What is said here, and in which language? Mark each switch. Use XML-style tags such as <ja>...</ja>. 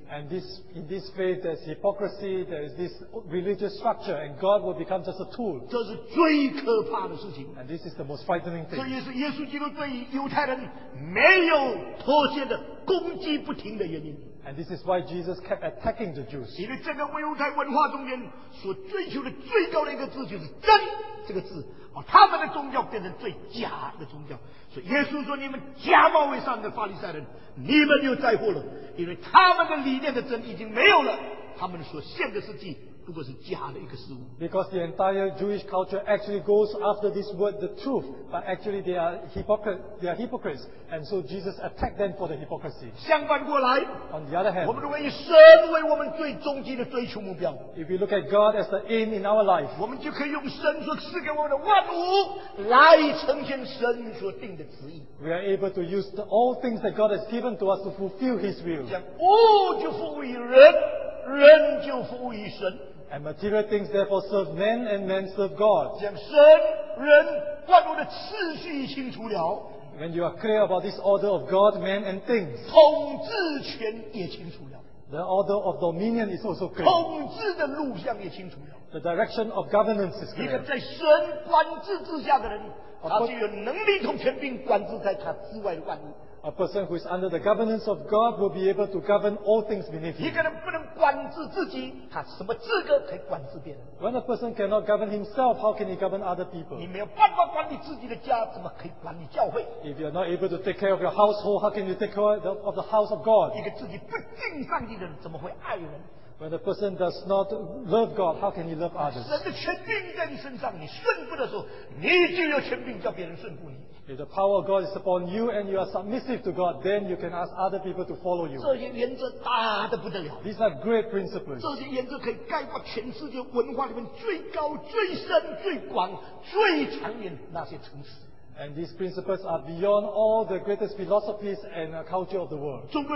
<en>And this, in this faith, there's hypocrisy, there's this religious structure, and God will become just a tool.</en> <zh>这是最可怕的事情。</zh> <en>And this is the most frightening thing.</en> <zh>所以是耶稣基督对于犹太人没有妥协的攻击不停的原因。</zh> <en>And this is why Jesus kept attacking the Jews.</en> <zh>因为这个犹太文化中间所追求的最高的一个字就是真这个字，把他们的宗教变成最假的宗教。所以耶稣说：“你们假冒为善的法利赛人，你们又灾祸了，因为他们的理念的真已经没有了，他们所献的是祭。” 如果是假的一个事物，</zh> <en>because the entire Jewish culture actually goes after this word, the truth, but actually they are hypocrites, and so Jesus attacked them for the hypocrisy.</en> <zh>相反过来，</zh> <en>on the other hand,</en> <zh>我们认为神为我们最终极的追求目标。</zh> <en>If we look at God as the aim in our life,</en> <zh>我们就可以用神所赐给我们的万物来呈现神所定的旨意。</zh> <en>We are able to use the, all things that God has given to us to fulfill His will.</en> <zh>像就服于人。人就服务于神。</zh> <en>And material things therefore serve men and men serve God.</en> <zh>将神、人、万物的次序清楚了。</zh> <en>When you are clear about this order of God, man and things.</en> <zh>统治权也清楚了。</zh> <en>The order of dominion is also clear.</en> <zh>统治的路向也清楚了。</zh> <en>The direction of governance is clear.</en> <zh>一个在神管制之下的人，他就有能力统权并管制在他之外的万物。</zh> <en>A person who is under the governance of God will be able to govern all things beneath him.</en> <zh>一个人不能管制自己，他什么资格可以管制别人？</zh> <en>When a person cannot govern himself, how can he govern other people?</en> <zh>你没有办法管理自己的家，怎么可以管理教会？</zh> <en>If you are not able to take care of your household, how can you take care of the house of God?</en> <zh>一个自己不敬上帝的人，怎么会爱人？</zh> <en>When a person does not love God, how can he love others?</en> <zh>神的权柄在你身上，你顺服的时候，你就有权柄叫别人顺服你。</zh> <en>If the power of God is upon you and you are submissive to God, then you can ask other people to follow you.</en> <zh>这些原则大得不得了。</zh> <en>These are great principles.</en> <zh>这些原则可以概括全世界文化里面最高、最深、最广、最长远那些层次。</zh> <en>And these principles are beyond all the greatest philosophies and culture of the world.</en>